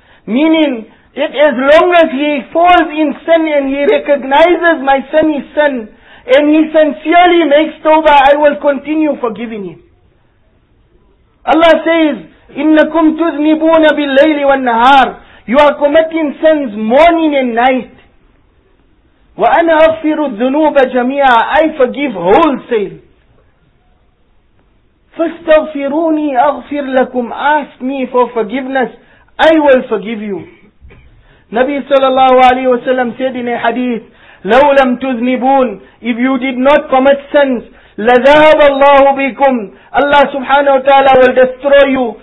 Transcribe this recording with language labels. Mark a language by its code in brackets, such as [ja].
[en] Meaning, that as long as he falls in sin and he recognizes my son is sin, and he sincerely makes tawbah, I will continue forgiving him. Allah says, [ar] إِنَّكُمْ تُذْنِبُونَ بِاللَّيْلِ وَالنَّهَارِ. [en] You are committing sins morning and night. [ar] وَأَنَا أَغْفِرُ الذُّنُوبَ جَمِيعًا. [en] I forgive wholesale. [ar] فَاسْتَغْفِرُونِي أَغْفِرْ لَكُمْ. [en] Ask me for forgiveness, I will forgive you. Nabi sallallahu alayhi wa sallam said in a hadith, [ar] لَوْ لَمْ تُذْنِبُونَ. [en] If you did not commit sins, [ar] لَذَهَبَ اللَّهُ بِكُمْ. [en] Allah subhanahu wa ta'ala will destroy you.